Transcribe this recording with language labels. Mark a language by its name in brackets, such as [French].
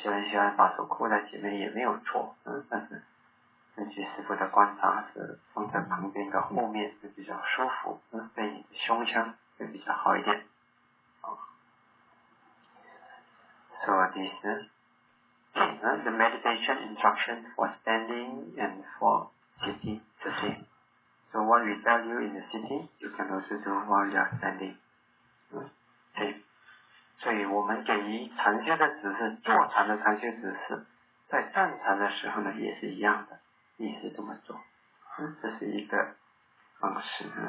[Chinese] 喜欢把手扣在前面也没有错，但是根据师傅的观察是放在旁边的后面是比较舒服，对你的胸腔会比较好一点。 [English] So this is the meditation instruction for standing and for sitting the same. So what we tell you in the sitting, you can also do while you are standing. Same. [Chinese] 所以我们给予禅修的指示，坐禅的禅修指示，在站禅的时候呢也是一样的，也是这么做，这是一个方式。